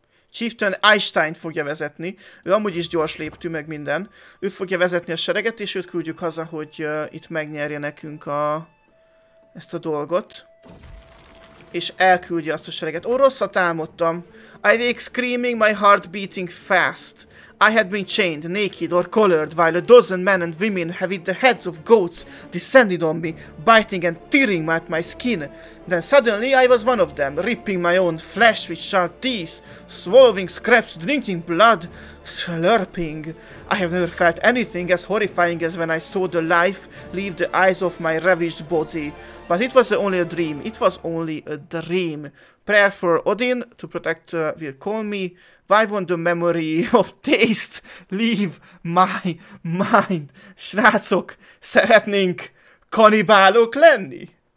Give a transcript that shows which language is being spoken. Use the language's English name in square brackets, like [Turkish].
[Hungarian] Chieftain Einstein fogja vezetni. Ő amúgy is gyors léptű meg minden. Ő fogja vezetni a sereget, és őt küldjük haza, hogy itt megnyerje nekünk a... ezt a dolgot. És elküldje azt a sereget. Ó, rosszat álmodtam. [English] I wake screaming, my heart beating fast. I had been chained, naked or colored, while a dozen men and women have hit the heads of goats descended on me, biting and tearing at my skin. Then suddenly I was one of them, ripping my own flesh with sharp teeth, swallowing scraps, drinking blood, slurping. I have never felt anything as horrifying as when I saw the life leave the eyes of my ravaged body. But it was only a dream, it was only a dream. Prayer for Odin to protect will call me. Why won't the memory of taste leave my mind? [Hungarian] Srácok, szeretnénk kanibálok lenni?